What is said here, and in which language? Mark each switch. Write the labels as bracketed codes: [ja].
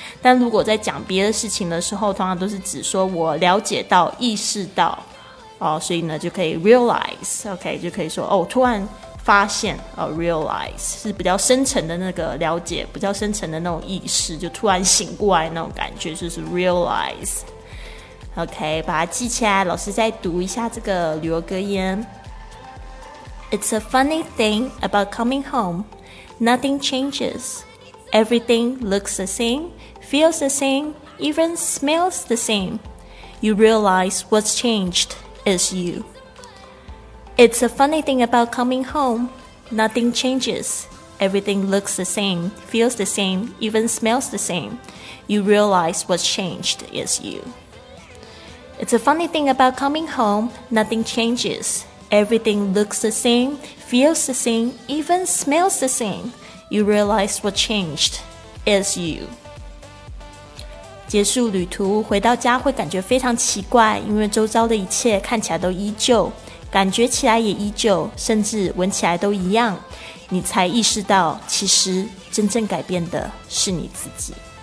[zh] 但如果在讲别的事情的时候，通常都是指说我了解到、意识到、所以呢就可以 realize， OK， 就可以说哦，突然发现、realize 是比较深层的那个了解，比较深层的那种意识，就突然醒过来那种感觉，就是 realizeOK， 把它记起来，老师再读一下这个旅游格言。 [en] It's a funny thing about coming home. Nothing changes. Everything looks the same, feels the same, even smells the same. You realize what's changed is you. It's a funny thing about coming home. Nothing changes. Everything looks the same, feels the same, even smells the same. You realize what's changed is you. It's a funny thing about coming home. Nothing changes. Everything looks the same, feels the same, even smells the same. You realize what changed is you. [zh] 结束旅途，回到家会感觉非常奇怪，因为周遭的一切看起来都依旧，感觉起来也依旧，甚至闻起来都一样。你才意识到，其实真正改变的是你自己。